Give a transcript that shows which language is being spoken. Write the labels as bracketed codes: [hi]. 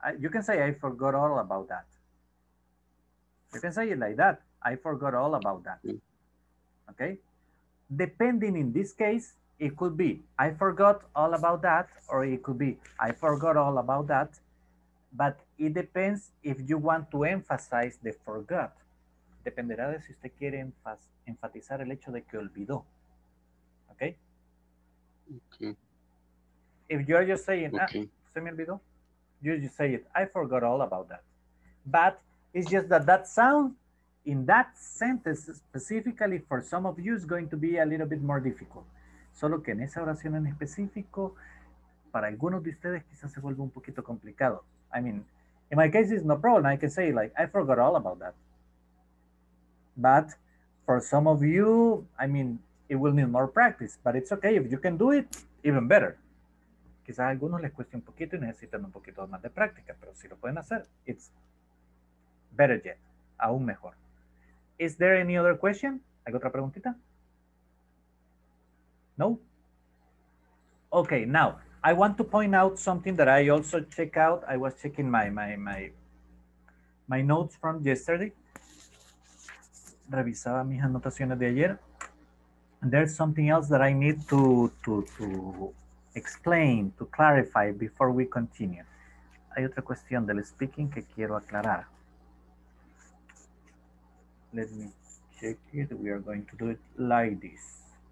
[en] You can say I forgot all about that. You can say it like that. I forgot all about that. Yeah. Okay, depending in this case, it could be, I forgot all about that, or it could be, I forgot all about that, but it depends if you want to emphasize the forgot. [es] Dependerá de si usted quiere enfatizar el hecho de que olvidó. [en] Okay? Okay. If you're just saying, okay. [es] Se me olvidó, [en] you just say it, I forgot all about that. But it's just that that sound, in that sentence, specifically for some of you, is going to be a little bit more difficult. [es] Solo que en esa oración en específico, para algunos de ustedes quizás se vuelva un poquito complicado. [en] I mean, in my case, it's no problem. I can say, like, I forgot all about that. But for some of you, I mean, it will need more practice. But it's okay. If you can do it, even better. [es] Quizás a algunos les cueste un poquito y necesitan un poquito más de práctica. Pero si lo pueden hacer, [en] it's better yet. [es] Aún mejor. [en] Is there any other question? [es] ¿Hay otra preguntita? [en] No? Okay, now, I want to point out something that I also check out. I was checking my notes from yesterday. [es] Revisaba mis anotaciones de ayer. [en] And there's something else that I need to explain, to clarify before we continue. [es] Hay otra cuestión del speaking que quiero aclarar. [en] Let me check it. We are going to do it like this.